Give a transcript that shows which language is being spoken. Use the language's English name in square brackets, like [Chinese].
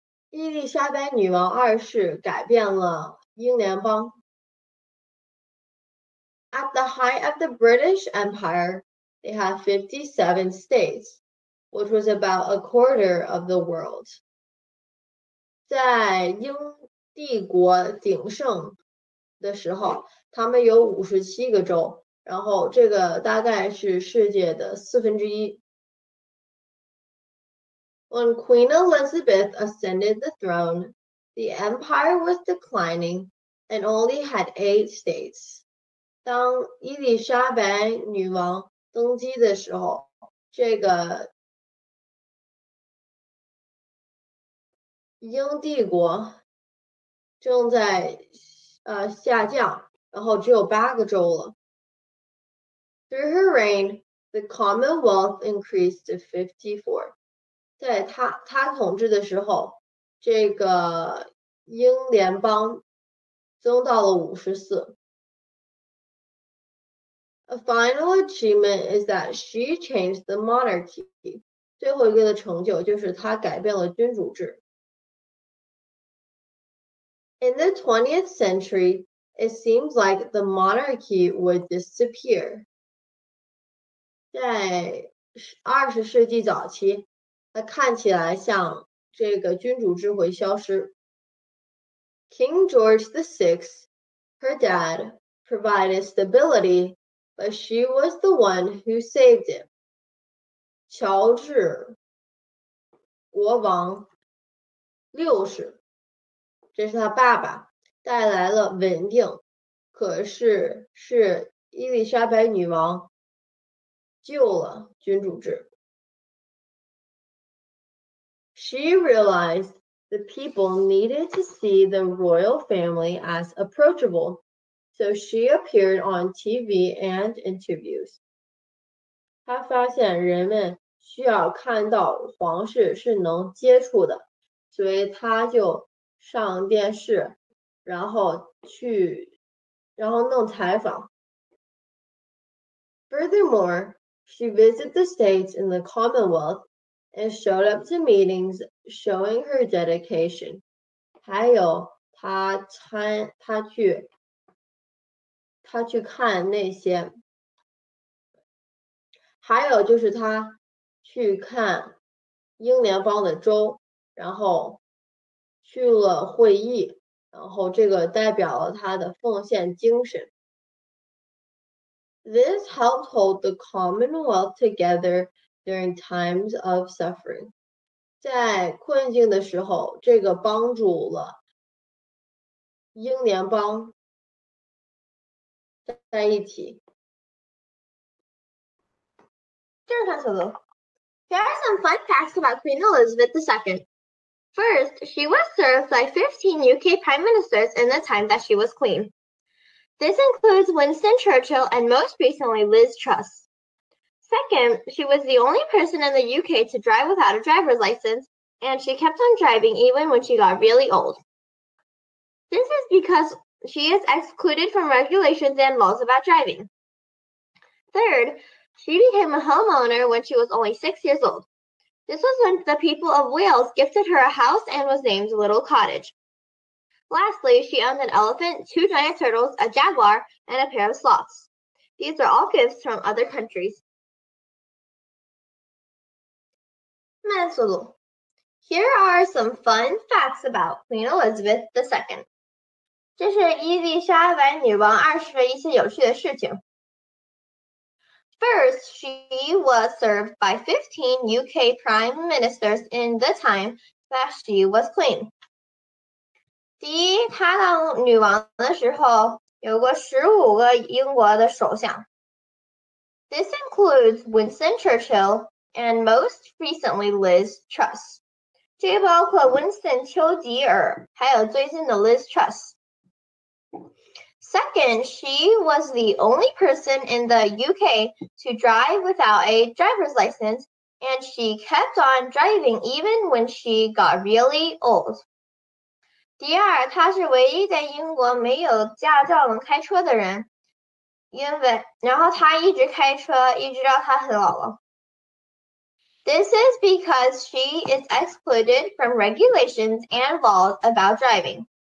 [Chinese] 伊丽莎白女王二世改变了英联邦。 [English] At the height of the British Empire, they had 57 states, which was about a quarter of the world. [Chinese] 在英帝国鼎盛的时候，他们有57个州，然后这个大概是世界的四分之一。 [English] When Queen Elizabeth ascended the throne, the empire was declining and only had 8 states. [Chinese] 当伊丽莎白女王登基的时候，这个英帝国正在下降，然后只有八个州了。 [English] Through her reign, the Commonwealth increased to 54. [Chinese] 在她统治的时候，这个英联邦增到了54。 [English] A final achievement is that she changed the monarchy. [Chinese] 最后一个的成就就是她改变了君主制。 [English] In the 20th century, it seems like the monarchy would disappear. [Chinese] 在二十世纪早期，它看起来像这个君主制会消失。 [English] King George VI, her dad, provided stability, but she was the one who saved it. [Chinese] 乔治，国王，六世。这是他爸爸带来了稳定，可是是伊丽莎白女王救了君主制。 [English] She realized the people needed to see the royal family as approachable, so she appeared on TV and interviews. [Chinese] 她发现人们需要看到皇室是能接触的，所以她就上电视，然后弄采访。 [English] Furthermore, she visited the states in the Commonwealth and showed up to meetings showing her dedication. [Chinese] 还有她去看那些，还有就是她去看英联邦的州，然后去了会议，然后这个代表了他的奉献精神。 [English] This helped hold the Commonwealth together during times of suffering. [Chinese] 在困境的时候，这个帮助了英联邦在一起。这是什么？ [English] Here are some fun facts about Queen Elizabeth II. First, she was served by 15 UK prime ministers in the time that she was queen. This includes Winston Churchill and most recently Liz Truss. Second, she was the only person in the UK to drive without a driver's license, and she kept on driving even when she got really old. This is because she is excluded from regulations and laws about driving. Third, she became a homeowner when she was only 6 years old. This was when the people of Wales gifted her a house and was named Little Cottage. Lastly, she owned an elephant, 2 giant turtles, a jaguar, and a pair of sloths. These are all gifts from other countries. [Chinese] 慢速度。 [English] Here are some fun facts about Queen Elizabeth II. [Chinese] 这是伊丽莎白女王二世的一些有趣的事情。 [English] First, she was served by 15 UK prime ministers in the time that she was queen. [Chinese] 第一，她当女王的时候有过15个英国的首相。 [English] This includes Winston Churchill, and most recently Liz Truss. [Chinese] 这个包括 Winston 丘吉尔，还有最近的 Liz Truss。 [English] Second, she was the only person in the UK to drive without a driver's license, and she kept on driving even when she got really old. [Chinese] 第二，她是唯一在英国没有驾照能开车的人，因为然后她一直开车，一直到她很老了。 [English] This is because she is excluded from regulations and laws about driving.